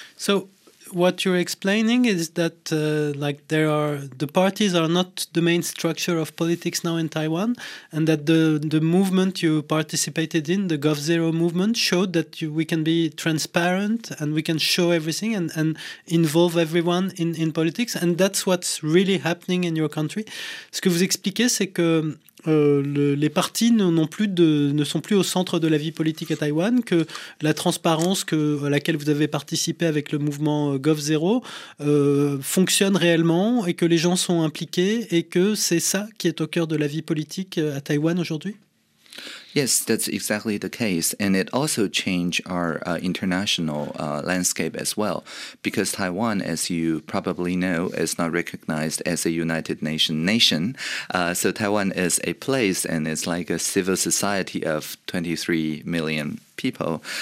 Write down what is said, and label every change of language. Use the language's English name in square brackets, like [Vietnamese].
[English] So what you're explaining is that the parties are not the main structure of politics now in Taiwan, and that the movement you participated in, the GovZero movement, showed that we can be transparent and we can show everything and involve everyone in politics. And that's what's really happening in your country. [French] Ce que vous expliquez, c'est que les partis ne sont plus au centre de la vie politique à Taïwan, que la transparence à laquelle vous avez participé avec le mouvement GovZero fonctionne réellement et que les gens sont impliqués et que c'est ça qui est au cœur de la vie politique à Taïwan aujourd'hui. [English] Yes, that's exactly the case. And it also changed our international landscape as well, because Taiwan, as you probably know, is not recognized as a United Nations nation. So Taiwan is a place and it's like a civil society of 23 million people.